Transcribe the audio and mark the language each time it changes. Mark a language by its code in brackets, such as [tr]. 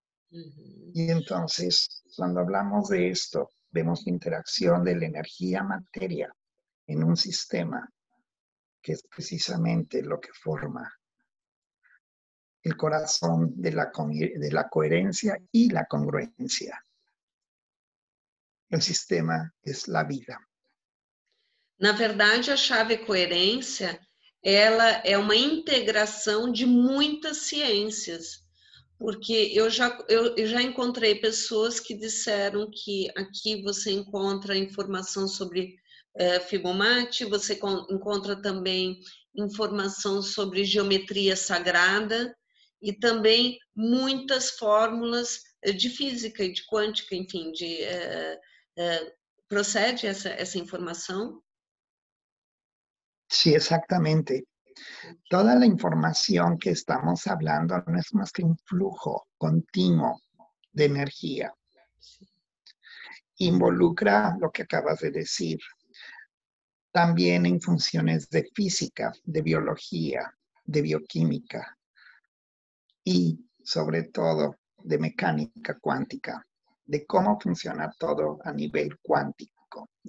[es] Uh-huh. Y entonces, cuando hablamos de esto, vemos la interacción de la energía-materia en un sistema que es precisamente lo que forma el corazón de la coherencia y la congruencia. El sistema es la vida. [pt] Na verdade, a chave coerência, ela é uma integração de muitas ciências. Porque eu já encontrei pessoas que disseram que aqui você encontra informação sobre Fibonacci, você encontra também informação sobre geometria sagrada e também muitas fórmulas de física e de quântica, enfim, de procede essa informação. [es] Sí, exactamente. Toda la información que estamos hablando no es más que un flujo continuo de energía. Involucra lo que acabas de decir. También en funciones de física, de biología, de bioquímica y sobre todo de mecánica cuántica, de cómo funciona todo a nivel cuántico.